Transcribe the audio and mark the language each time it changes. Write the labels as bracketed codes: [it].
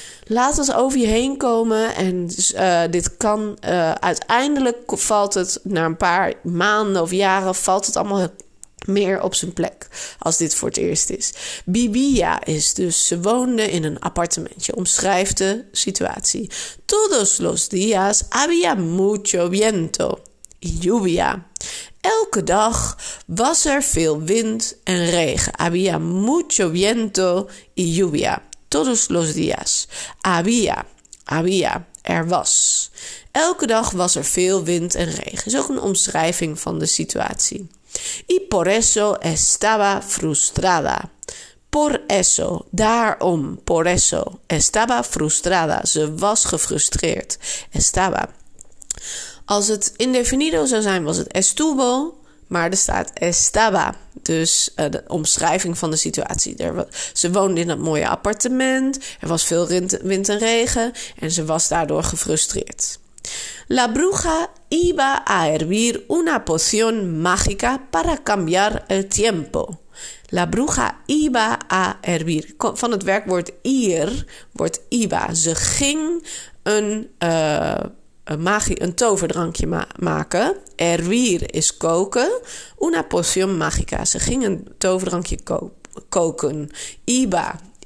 [nl] Laat het over je heen komen en dit kan uiteindelijk valt het na een paar maanden of jaren valt het allemaal meer op zijn plek als dit voor het eerst is. Vivía is dus ze woonde in een appartementje, omschrijft de situatie. [es] Todos los días había mucho viento y lluvia. [nl] Elke dag was er veel wind en regen. [es] Había mucho viento y lluvia. Todos los días. Había. [nl] Er was. Elke dag was er veel wind en regen. Is ook een omschrijving van de situatie. [es] Y por eso estaba frustrada. Por eso. [nl] Daarom. [es] Por eso. Estaba frustrada. [nl] Ze was gefrustreerd. Estaba. Als het indefinido zou zijn, was het estuvo. Maar er staat estaba, dus de omschrijving van de situatie. Ze woonde in dat mooie appartement, er was veel wind en regen en ze was daardoor gefrustreerd. [es] La bruja iba a hervir una poción mágica para cambiar el tiempo. La bruja iba a hervir. [nl] Van het werkwoord ir wordt iba. Ze ging een een toverdrankje maken. Hervir is koken. [es] Una poción mágica. [nl] Ze ging een toverdrankje koken. Iba.